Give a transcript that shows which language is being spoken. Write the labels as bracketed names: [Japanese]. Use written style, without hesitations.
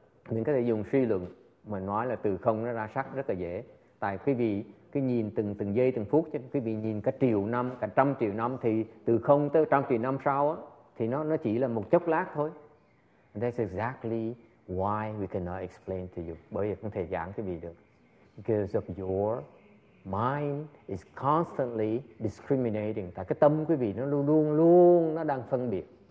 [Vietnamese] Mình có thể dùng suy luận mà nói là từ không nó ra sắc rất là dễ. Tại quý vị cứ nhìn từng từng giây từng phút, chứ quý vị nhìn cả triệu năm, cả trăm triệu năm thì từ không tới trăm triệu năm sau á, thì nó chỉ là một chốc lát thôi. [English] And that's exactly why we cannot explain to you. [Vietnamese] Bởi vì không thể giảng cái gì được. [English] Because of your mind is constantly discriminating. [Vietnamese] Tại cái tâm quý vị nó luôn luôn luôn nó đang phân biệt.